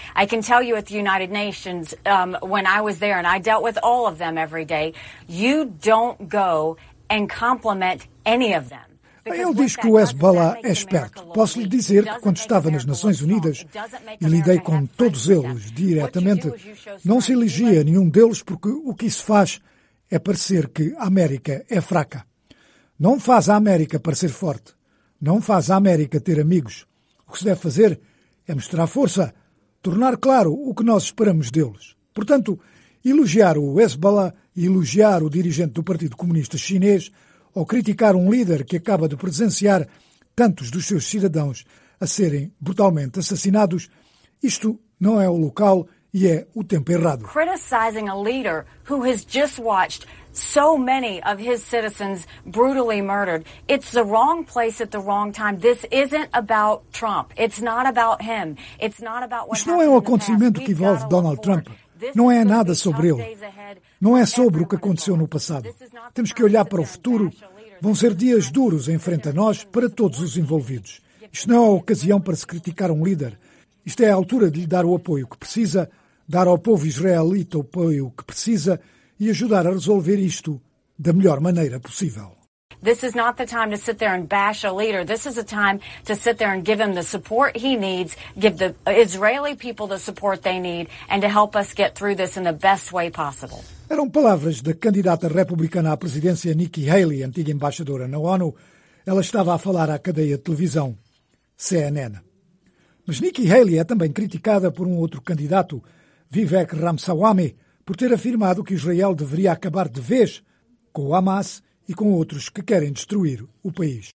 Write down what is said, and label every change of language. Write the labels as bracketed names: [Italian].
[English] I can tell you at the United Nations, when I was there and I dealt with all of them every day, you don't go and compliment any of them. [Portuguese] Ele diz que o Hezbollah é esperto. Posso lhe dizer que, quando estava nas Nações Unidas e lidei com todos eles diretamente, não se elogia nenhum deles, porque o que isso faz é parecer que a América é fraca. Não faz a América parecer forte. Não faz a América ter amigos. O que se deve fazer é mostrar força, tornar claro o que nós esperamos deles. Portanto, elogiar o Hezbollah, elogiar o dirigente do Partido Comunista Chinês ou criticar um líder que acaba de presenciar tantos dos seus cidadãos a serem brutalmente assassinados, isto não é o local e é o tempo errado. [English] Criticizing a leader who has just watched so many of his citizens brutally murdered, it's the wrong place at the wrong time. This isn't about Trump. It's not about him. It's not about what. [Portuguese] Isto não é um acontecimento que envolve Donald Trump. Não é nada sobre ele. Não é sobre o que aconteceu no passado. Temos que olhar para o futuro. Vão ser dias duros em frente a nós, para todos os envolvidos. Isto não é a ocasião para se criticar um líder. Isto é a altura de lhe dar o apoio que precisa, dar ao povo israelita o apoio que precisa e ajudar a resolver isto da melhor maneira possível. [English] This is not the time to sit there and bash a leader. This is a time to sit there and give him the support he needs, give the Israeli people the support they need, and to help us get through this in the best way possible. [Portuguese] Eram palavras da candidata republicana à presidência Nikki Haley, antiga embaixadora na ONU. Ela estava a falar à cadeia de televisão CNN. Mas Nikki Haley é também criticada por um outro candidato, Vivek Ramaswamy, por ter afirmado que Israel deveria acabar de vez com o Hamas e com outros que querem destruir o país.